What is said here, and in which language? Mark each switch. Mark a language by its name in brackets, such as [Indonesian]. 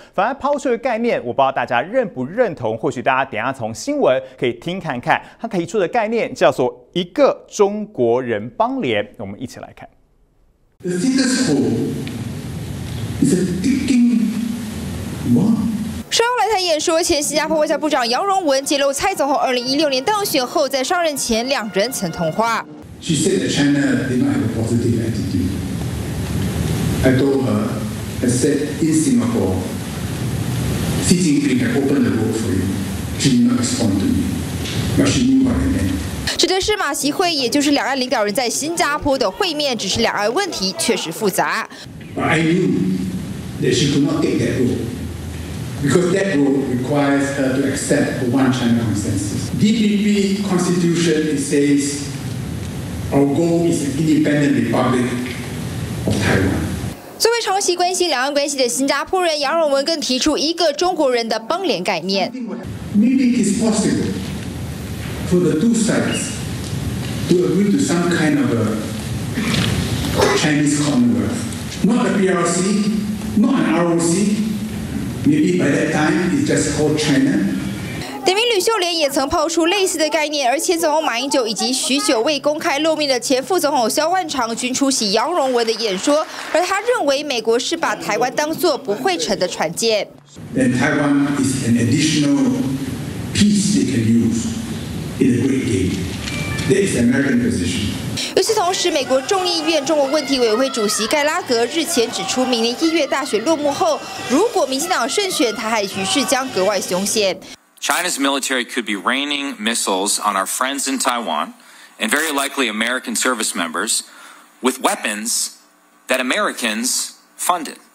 [Chinese] 反而抛出的概念，我不知道大家认不认同，或许大家等一下从新闻可以听看看，他提出的概念叫做一个中国人邦联。我们一起来看 [English] The status quo is a ticking bomb。 [Chinese] 稍后来谈演说前，新加坡外交部长杨荣文揭露蔡总统2016年当选后在上任前两人曾通话。 [English] She said that China did not have a positive attitude. I told her, I said, in Singapore, Xi Jinping had opened the door for you. She did not respond to me. But she knew what I meant. [Chinese] 指的是马习会，也就是两岸领导人在新加坡的会面，只是两岸问题确实复杂。 [English] But I knew that she could not take that role. Because that role requires her to accept the one China consensus. DPP constitution, it says,Our goal is an independent republic of Taiwan. [Chinese] 作为长期关心两岸关系的新加坡人，杨荣文更提出一个中国人的邦联概念。 [English] Maybe it is possible for the two sides to agree to some kind of a Chinese Commonwealth. Not a PRC, not an ROC. Maybe by that time it's just called China. [Chinese] 人民吕秀莲也曾抛出类似的概念，而前总统马英九以及许久未公开露面的前副总统萧万长均出席杨荣文的演说，而他认为美国是把台湾当作不会沉的船舰。 [English] Then Taiwan is an additional piece they can use in a great game. That is American position. [Chinese] 与此同时，美国众议院中国问题委员会主席盖拉格日前指出，明年一月大选落幕后，如果民进党胜选，台海局势将格外凶险。 [English] China's military could be raining missiles on our friends in Taiwan and very likely American service members with weapons that Americans funded.